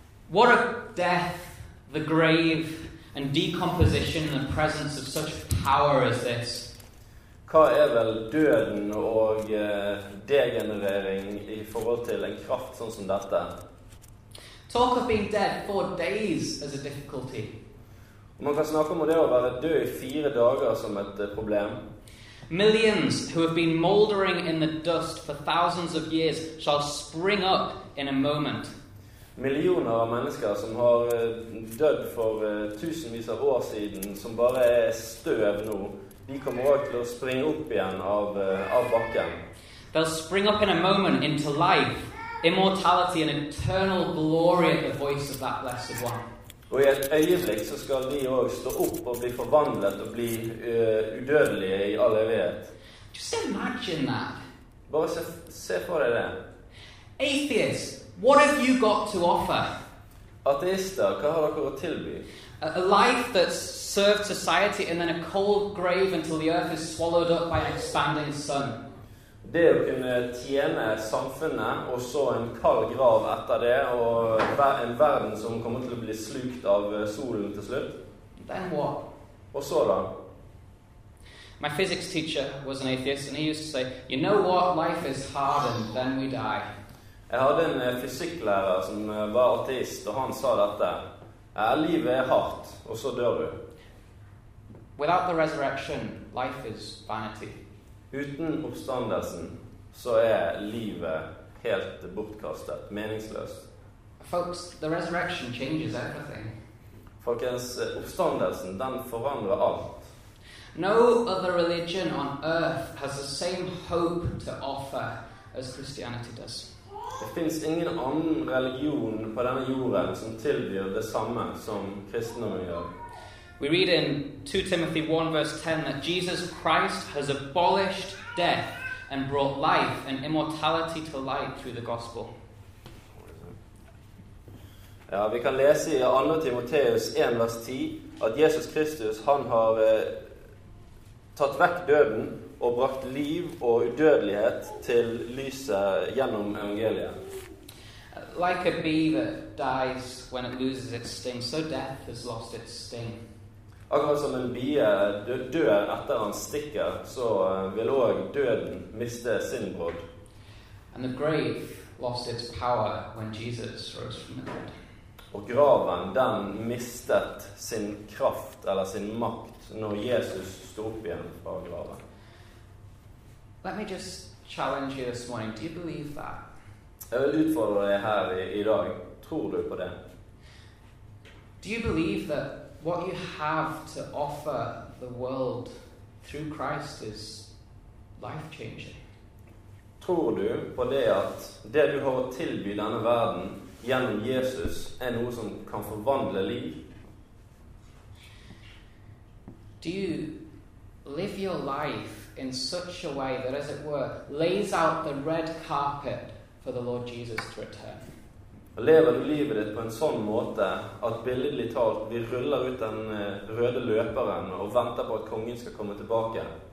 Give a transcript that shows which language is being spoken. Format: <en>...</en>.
<en>what a death, the grave, and decomposition in the presence of such power as this.</en> <no>Hva vel døden og degenerering i forhold til en kraft sånn som dette?</no> <en>Talk of being dead 4 days as a difficulty.</en> <no>Man kan snakke om det å være død i 4 dager som et problem.</no> <en>Millions who have been moldering in the dust for thousands of years shall spring up in a moment.</en> <no>Millioner av mennesker som har dødd for tusenvis av år siden, som bare støv nå, de kommer også til å springe opp igjen av bakken.</no> <en>They'll spring up in a moment into life, immortality and eternal glory at the voice of that blessed one.</en> <no>Og i et øyeblikk så skal de også stå opp og bli forvandlet og bli udødelige i all evighet.</no> <en>Just imagine that.</en> <no>Bare se for deg det.</no> <en>Atheists, what have you got to offer?</en> <no>Ateister, hva har dere å tilby?</no> <en>A life that's served society and then a cold grave until the earth is swallowed up by an expanding sun.</en> <no>Det å kunne tjene samfunnet og så en kald grav etter det og en verden som kommer til å bli slukt av solen til slutt.</no> <en>Then what?</en> <no>Og så da?</no> <en>My physics teacher was an atheist and he used to say, you know what, life is hard and then we die.</en> <no>Jeg hadde en fysikklærer som var ateist og han sa dette. Livet hardt, og så dør du.</no> <en>Without the resurrection, life is vanity.</en> <no>Uten oppstandelsen, så livet helt bortkastet, meningsløst.</no> <en>Folks, the resurrection changes everything.</en> <no>Folkens, oppstandelsen, den forandrer alt.</no> <en>No other religion on earth has the same hope to offer as Christianity does.</en> <no>Det finnes ingen annen religion på denne jorden som tilbyr det samme som kristendommen gjør.</no> <en>We read in 2 Timothy 1 verse 10 that Jesus Christ has abolished death and brought life and immortality to light through the gospel.</en> <no>Ja, vi kan lese i 2 Timoteus 1 vers 10 at Jesus Kristus, han har tatt vekk døden og brakt liv og udødelighet til lyset gjennom evangeliet.</no> <en>Like a bee that dies when it loses its sting, so death has lost its sting.</en> <no>Akkurat som en bie dør etter han stikker, så vil også døden miste sin brodd.</no> <en>And the grave lost its power when Jesus rose from the dead.</en> <no>Og graven, den mistet sin kraft eller sin makt når Jesus stod opp igjen fra graven.</no> <en>Let me just challenge you this morning. Do you believe that?</en> <no>Jeg vil utfordre deg her i dag. Tror du på det?</no> <en>Do you believe that what you have to offer the world through Christ is life-changing?</en> <no>Tror du på det at det du har å tilby denne verden gjennom Jesus noe som kan forvandle liv?</no> <en>Do you live your life in such a way that, as it were, lays out the red carpet for the Lord Jesus to return?</en> <no>Lever du livet ditt på en sånn måte at billedlig talt vi ruller ut den røde løperen og venter på at kongen skal komme tilbake?</no>